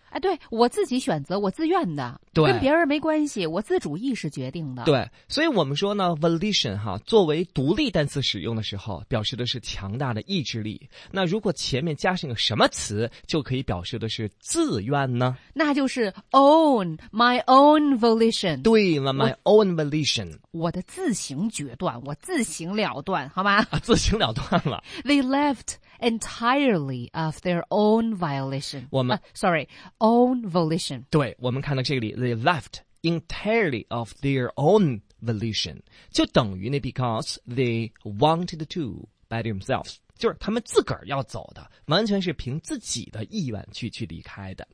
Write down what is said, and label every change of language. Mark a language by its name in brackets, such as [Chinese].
[Chinese] 哎，对，我自己选择，我自愿的，对，跟别人没关系，我自主意识决定的。对，所以我们说呢 ，volition 哈，作为独立单词使用的时候，表示的是强大的意志力。那如果前面加上个什么词，就可以表示的是自愿呢？ [English] 那就是 own my own volition。对了 ，my own volition， [Chinese] 我的自行决断，我自行了断，好吗？啊、自行了断了。 [English] They left entirely of their own volition。 [Chinese] 我们、 [English] sorry。 Own volition， [Chinese] 对，我们看到这里 ， [English] they left entirely of their own volition， [Chinese] 就等于那 [English] because they wanted to by themselves， [Chinese] 就是他们自个儿要走的，完全是凭自己的意愿去离开的。